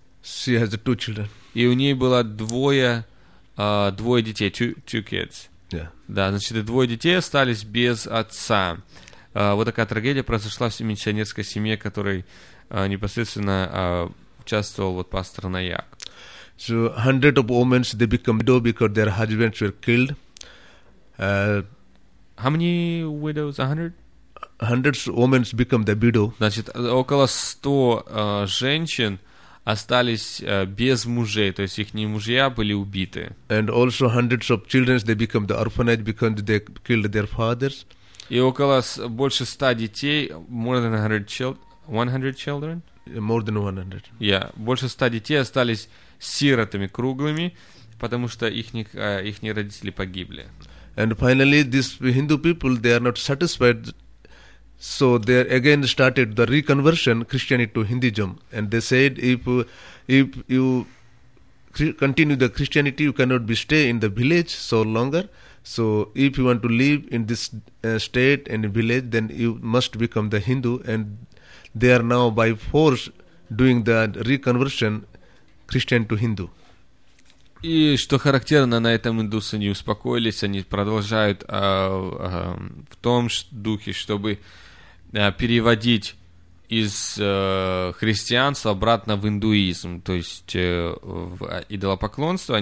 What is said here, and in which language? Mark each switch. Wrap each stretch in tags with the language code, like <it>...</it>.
<en>She has two children.</en> <ru>И у ней было двое детей,</ru> <en>two kids. Yeah.</en> <ru>Да, значит, и двое детей остались без отца. Вот такая трагедия произошла в миссионерской семье, которой непосредственно участвовал вот пастор Наяк.</ru> <en>So, hundred of women, they become widow because their husbands were killed. How many widows? 100? Hundreds of women become the widow.</en> <ru>Значит, около 100 женщин остались без мужей, то есть их не мужья были убиты.</ru> <en>And also hundreds of children, they become the orphanage because they killed their fathers.</en> <ru>И около больше 100 детей,</ru> <en>more than 100 children, 100 children? More than 100.</en> <ru>Yeah, больше 100 детей остались сиротами круглыми, потому что их родители погибли.</ru> <en>And finally, these Hindu people, they are not satisfied. So they again started the reconversion Christianity to Hinduism. And they said, if you continue the Christianity, you cannot be stay in the village so longer. So if you want to live in this state and village, then you must become the Hindu. And they are now by force doing the reconversion Christian to Hindu.</en> <ru>И что характерно, на этом индусы не успокоились, они продолжают в том духе, чтобы переводить из христианства обратно в индуизм, то есть в идолопоклонство.</ru>